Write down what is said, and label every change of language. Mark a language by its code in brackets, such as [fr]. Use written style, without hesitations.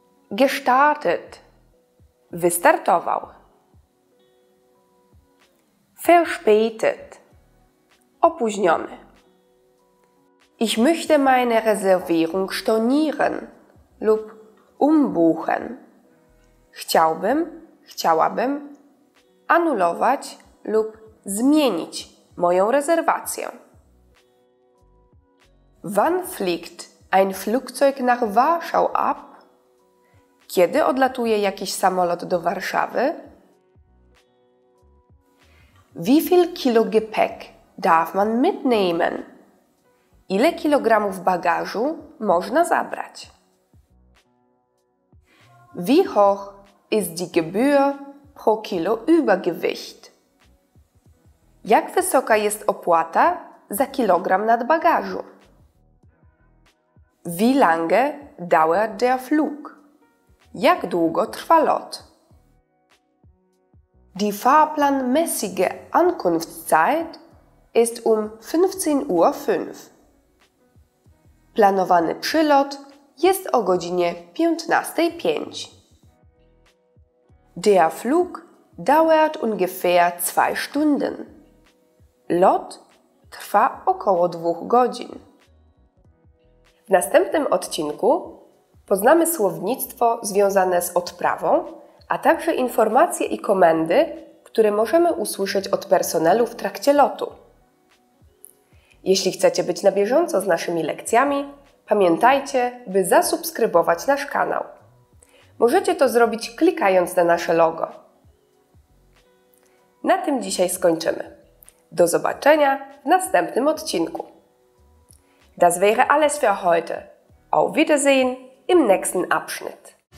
[de] Gestartet. Wystartował. Verspätet. Opóźniony. Ich möchte meine Reservierung stornieren lub umbuchen. [pl] Chciałbym, chciałabym anulować lub zmienić moją rezerwację. [de] Wann fliegt ein Flugzeug nach Warschau ab? [pl] Kiedy odlatuje jakiś samolot do Warszawy? [de] Wie viel Kilo Gepäck darf man mitnehmen? [pl] Ile kilogramów bagażu można zabrać? [de] Wie hoch ist die Gebühr pro Kilo Übergewicht? [pl] Jak wysoka jest opłata za kilogram nadbagażu? [de] Wie lange dauert der Flug? [pl] Jak długo trwa lot? [de] Die fahrplanmäßige Ankunftszeit ist 15:05. [pl] Planowany przylot jest o godzinie 15:05. [de] Der Flug dauert ungefähr 2 Stunden. [pl] Lot trwa około 2 godzin. W następnym odcinku poznamy słownictwo związane z odprawą, a także informacje i komendy, które możemy usłyszeć od personelu w trakcie lotu. Jeśli chcecie być na bieżąco z naszymi lekcjami, pamiętajcie, by zasubskrybować nasz kanał. Możecie to zrobić klikając na nasze logo. Na tym dzisiaj skończymy. Do zobaczenia w następnym odcinku. [de] Das wäre alles für heute. Auf Wiedersehen im nächsten Abschnitt.